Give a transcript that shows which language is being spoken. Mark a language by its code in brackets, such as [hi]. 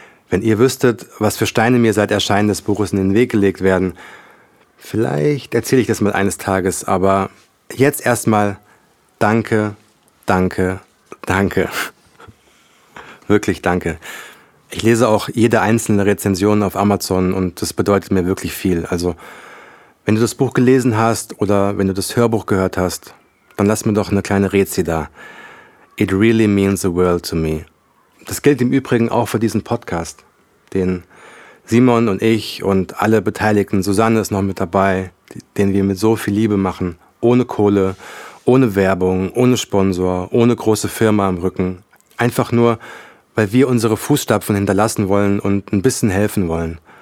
[de] Wenn ihr wüsstet, was für Steine mir seit Erscheinen des Buches in den Weg gelegt werden, vielleicht erzähle ich das mal eines Tages, aber jetzt erstmal danke, danke, danke. Wirklich danke. Ich lese auch jede einzelne Rezension auf Amazon und das bedeutet mir wirklich viel. Also, wenn du das Buch gelesen hast oder wenn du das Hörbuch gehört hast, dann lass mir doch eine kleine Rezi da. [en] It really means the world to me. [de] Das gilt im Übrigen auch für diesen Podcast, den Simon und ich und alle Beteiligten, Susanne ist noch mit dabei, den wir mit so viel Liebe machen, ohne Kohle, ohne Werbung, ohne Sponsor, ohne große Firma im Rücken. Einfach nur, weil wir unsere Fußstapfen hinterlassen wollen und ein bisschen helfen wollen.